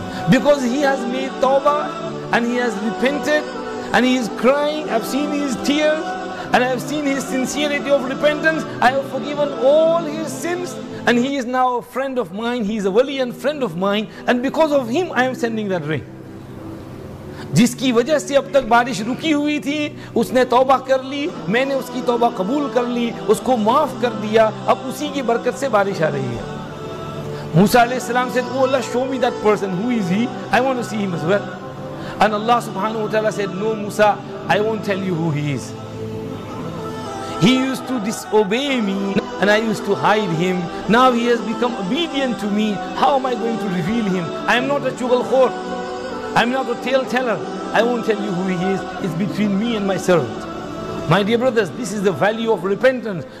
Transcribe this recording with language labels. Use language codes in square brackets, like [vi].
[en] Because he has made tawbah and he has repented and he is crying, I've seen his tears and I've seen his sincerity of repentance, I have forgiven all his sins and he is now a friend of mine, he is a wali and friend of mine, and because of him I am sending that rain. [hi] जिसकी वजह से अब तक बारिश रुकी हुई थी, उसने तौबा कर ली, मैंने उसकी तौबा कबूल कर ली, उसको माफ कर दिया, अब उसी की बरकत से बारिश आ रही है। [en] Musa अलैहिस्सलाम से O Allah show me that person, who is he, I want to see him as well. And Allah सुभान व तआला said, no Musa, I won't tell you who he is. He used to disobey me and I used to hide him. Now he has become obedient to me. How am I going to reveal him? I am not a chugalkhor. I'm not a tale teller. I won't tell you who he is. It's between me and my servant. My dear brothers, this is the value of repentance.